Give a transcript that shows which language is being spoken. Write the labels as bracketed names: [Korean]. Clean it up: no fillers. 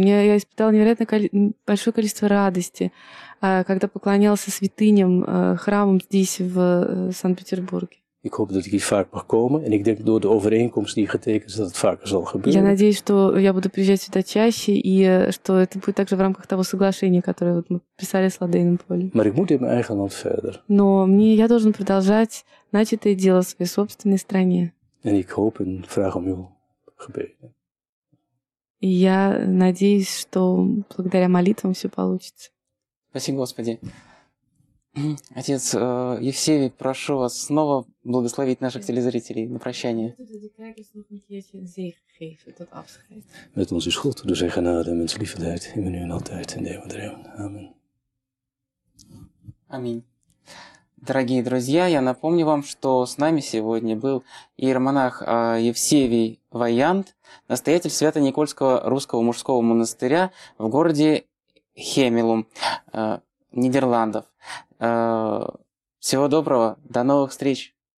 [Russian] Я испытала невероятное большое количество радости, когда поклонялся святыням, храмам здесь в Санкт-Петербурге. [Dutch] Ik hoop dat ik hier vaak mag komen en ik denk door de overeenkomst die getekend is dat het vaker zal gebeuren. [Russian] Я надеюсь, что я буду приезжать сюда чаще и что это будет также в рамках того соглашения, которое вот мы писали с Ладейным Полем. [Dutch] Maar ik moet in mijn eigen land verder. [Russian] Но мне я должен продолжать начатое дело в своей собственной стране. [Dutch] En ik hoop en vraag om uw gebeden. [Russian] Я надеюсь, что благодаря молитвам все получится. Спасибо, Господи. Отец Евсевий, прошу вас снова благословить наших телезрителей на прощание. [Dutch] Met ons is God, door zijn genade, mens liefdeheid, in menu en altijd, in de eeuwen der eeuwen. Amen. [Russian] Аминь. Дорогие друзья, я напомню вам, что с нами сегодня был иеромонах Евсевий Ваянт, настоятель Свято-Никольского русского мужского монастыря в городе Хемелум, Нидерландов. Всего доброго, до новых встреч!